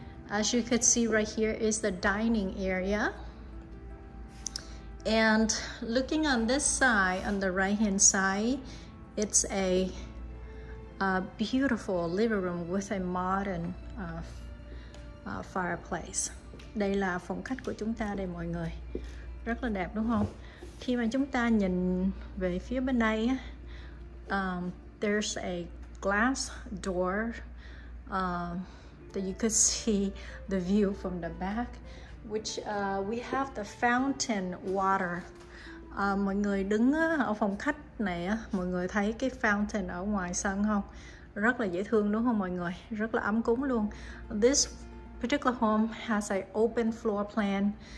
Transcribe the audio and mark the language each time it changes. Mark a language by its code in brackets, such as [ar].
[en] As you could see right here is the dining area. And looking on this side, on the right-hand side, it's a beautiful living room with a modern fireplace. [vi] Đây là phòng khách của chúng ta đây mọi người. Rất là đẹp đúng không? Khi mà chúng ta nhìn về phía bên đây, [en] there's a glass door that you could see the view from the back, which we have the fountain water. [vi] Mọi người đứng ở phòng khách này, mọi người thấy cái fountain ở ngoài sân không? Rất là dễ thương đúng không mọi người? Rất là ấm cúng luôn. [en] This particular home has an open floor plan.